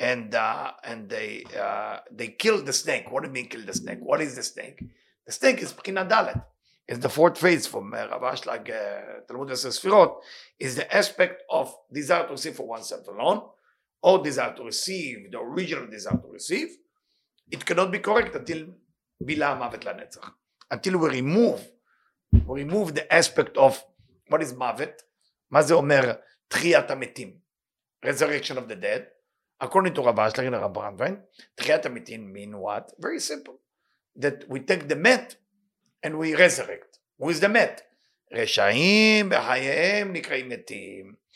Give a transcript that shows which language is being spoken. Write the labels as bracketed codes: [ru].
[en] And they killed the snake. What do you mean killed the snake? What is the snake? The snake is b'china dalet. It's the fourth phase from Rav Ashlag, Talmud Esra Sefirot, is the aspect of desire to receive for oneself alone, or desire to receive, the original desire to receive. It cannot be correct until [he] bila mavet lanetzach. [en] Until we remove the aspect of what is mavet, [he] מה זה אומר תחיית המתים, [en] resurrection of the dead, according to רבה שלכן הרב ברנדווין, תחיית המתים mean what? Very simple. That we take the mat and we resurrect. Who is the mat? [he] רשעים בחייהם נקראים מתים.